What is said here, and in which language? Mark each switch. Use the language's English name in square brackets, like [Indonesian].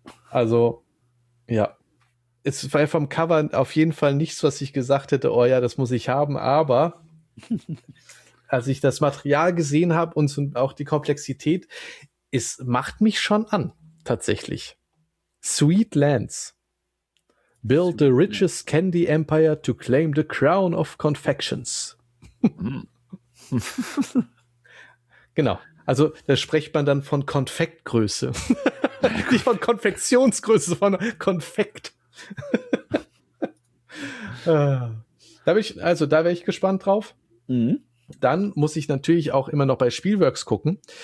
[German] Also, ja. Es war vom Cover auf jeden Fall nichts, was ich gesagt hätte, oh ja, das muss ich haben, aber als ich das Material gesehen habe und so auch die Komplexität, es macht mich schon an, tatsächlich. Sweetlands. [English] Build the richest candy empire to claim the crown of confections. [German] Genau. Also da spricht man dann von Konfektgröße. Nicht von Konfektionsgröße, sondern Konfekt. Da wäre ich gespannt drauf. Mhm. Dann muss ich natürlich auch immer noch bei Spielworks gucken.